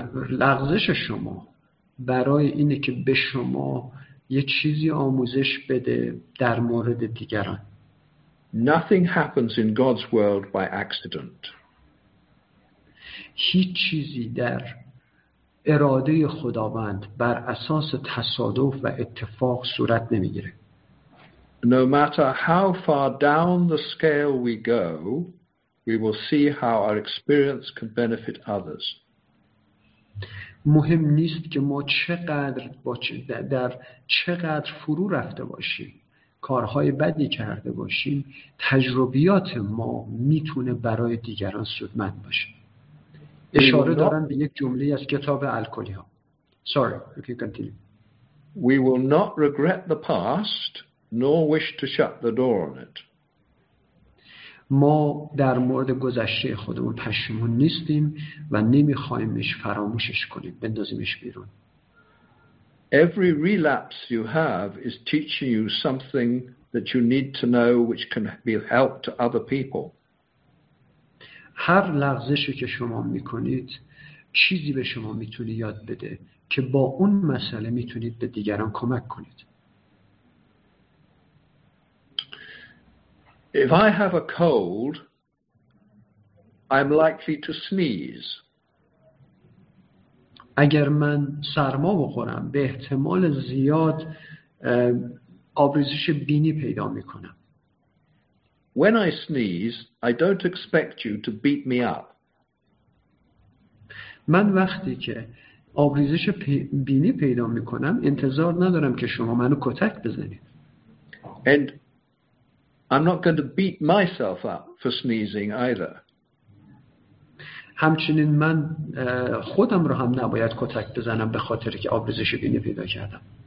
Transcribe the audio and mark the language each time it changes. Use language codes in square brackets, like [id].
[fa] لغزش شما برای اینه که به شما یه چیزی آموزش بده در مورد دیگران. [en] Nothing happens in God's world by accident. [fa] هیچ چیزی در اراده خداوند بر اساس تصادف و اتفاق صورت نمیگیره. [en] No matter how far down the scale we go, we will see how our experience can benefit others. [fa] مهم نیست که ما چقدر در چقدر فرو رفته باشیم، کارهای بدی کرده باشیم، تجربیات ما میتونه برای دیگران سودمند باشه. اشاره دارن به یک جمله از کتاب الکلی ها. [en] Sorry, you can continue. We will not regret the past nor wish to shut the door on it. [fa] ما در مورد گذشته خودمون پشیمون نیستیم و نمیخوایمش فراموشش کنیم، بندازیمش بیرون. [en] Every relapse you have is teaching you something that you need to know which can be helped to other people. [fa] هر لغزشی که شما میکنید چیزی به شما میتونه یاد بده که با اون مسئله میتونید به دیگران کمک کنید. [en] If I have a cold, I'm likely to sneeze. [fa] اگر من سرما بخورم به احتمال زیاد آبریزش بینی پیدا میکنم. [en] When I sneeze, I don't expect you to beat me up. [fa] من وقتی که آبریزش بینی پیدا میکنم انتظار ندارم که شما منو کتک بزنید. [en] And I'm not going to beat myself up for sneezing either. [fa] همچنین من خودم رو هم نباید کتک بزنم به خاطر که آبریزش بینی پیدا کردم.